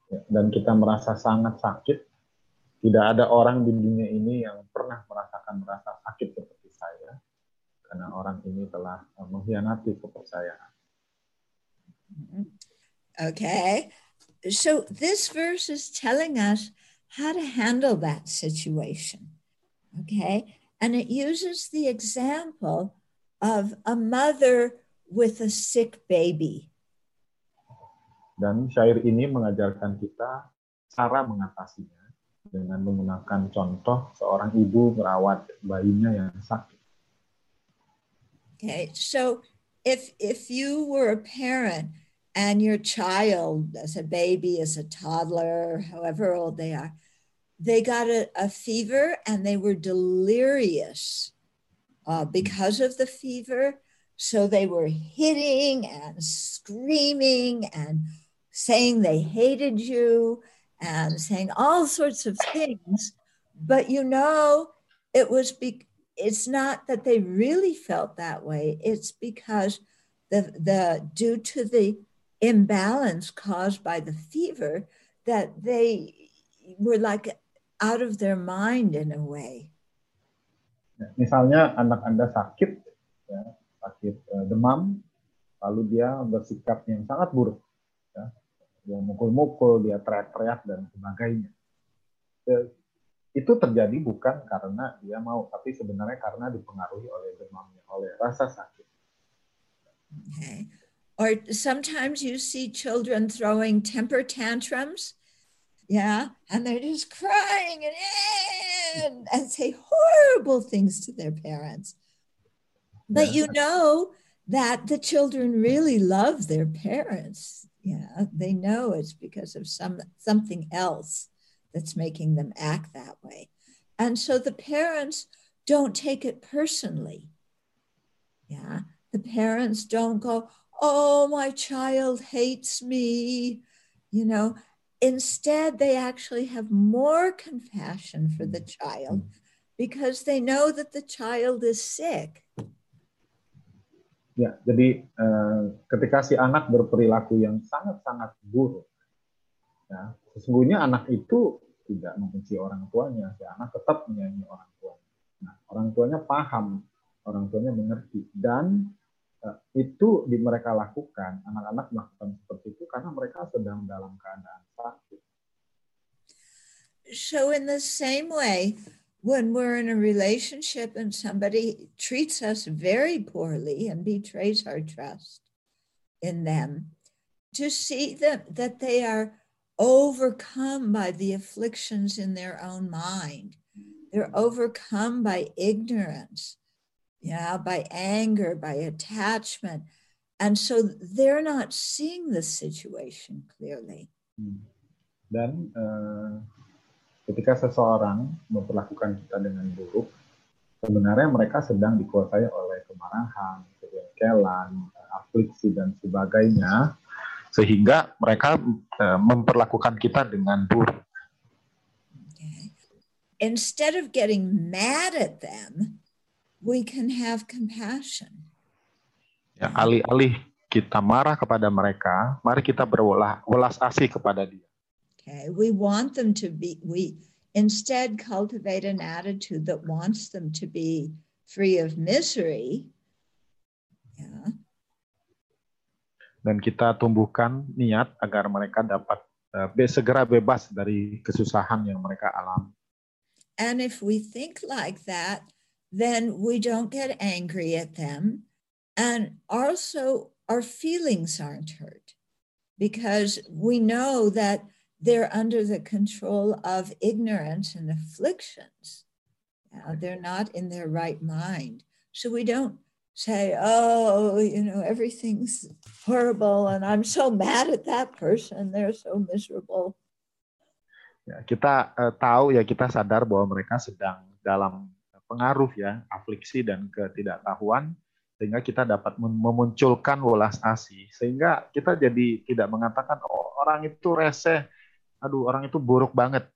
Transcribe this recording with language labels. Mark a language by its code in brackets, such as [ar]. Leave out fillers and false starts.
[id] Dan kita merasa sangat sakit. Tidak ada orang di dunia ini yang pernah merasakan rasa sakit seperti saya, karena orang ini telah mengkhianati kepercayaan. [en] Okay, so this verse is telling us how to handle that situation. Okay, and it uses the example of a mother with a sick baby. [id] Dan syair ini mengajarkan kita cara mengatasinya dengan menggunakan contoh seorang ibu merawat bayinya yang sakit. [en] Okay, so if you were a parent and your child, as a baby, as a toddler, however old they are, they got a fever and they were delirious because of the fever. So they were hitting and screaming and saying they hated you and saying all sorts of things, but you know, it's not that they really felt that way. It's because due to the imbalance caused by the fever, that they were like out of their mind in a way. [id] Misalnya anak Anda sakit, ya, sakit demam, lalu dia bersikap yang sangat buruk. Dia mukul-mukul, dia teriak-teriak, dan sebagainya. Itu terjadi bukan karena dia mau, tapi sebenarnya karena dipengaruhi oleh demamnya, oleh rasa sakit. [en] Okay. Or sometimes you see children throwing temper tantrums, yeah, and they're just crying and say horrible things to their parents. But you know that the children really love their parents. Yeah, they know it's because of something else that's making them act that way. And so the parents don't take it personally. Yeah, the parents don't go, oh, my child hates me. You know, instead, they actually have more compassion for the child because they know that the child is sick. [id] Ya, jadi ketika si anak berperilaku yang sangat-sangat buruk, ya, sesungguhnya anak itu tidak membenci orang tuanya, si anak tetap menyayangi orang tuanya. Nah, orang tuanya paham, orang tuanya mengerti, dan itu di mereka lakukan, anak-anak melakukan seperti itu karena mereka sedang dalam keadaan sakit. [en] So in the same way, when we're in a relationship and somebody treats us very poorly and betrays our trust in them, to see that they are overcome by the afflictions in their own mind, they're overcome by ignorance, yeah, by anger, by attachment, and so they're not seeing the situation clearly. [id] Then, ketika seseorang memperlakukan kita dengan buruk, sebenarnya mereka sedang dikuasai oleh kemarahan, kejengkelan, afliksi, dan sebagainya, sehingga mereka memperlakukan kita dengan buruk. [en] Okay. Instead of getting mad at them, we can have compassion. [id] Ya, alih-alih kita marah kepada mereka, mari kita berwelas asih kepada dia. [en] Okay. We want them to be... We instead cultivate an attitude that wants them to be free of misery. Yeah. [id] Dan kita tumbuhkan niat agar mereka dapat segera bebas dari kesusahan yang mereka alami. [en] And if we think like that, then we don't get angry at them. And also our feelings aren't hurt because we know that they're under the control of ignorance and afflictions. They're not in their right mind. So we don't say, oh, you know, everything's horrible and I'm so mad at that person. They're so miserable. [id] Ya, kita tahu ya, kita sadar bahwa mereka sedang dalam pengaruh ya, afliksi dan ketidaktahuan, sehingga kita dapat memunculkan welas asih, sehingga kita jadi tidak mengatakan, oh, orang itu reseh, aduh, orang itu buruk banget.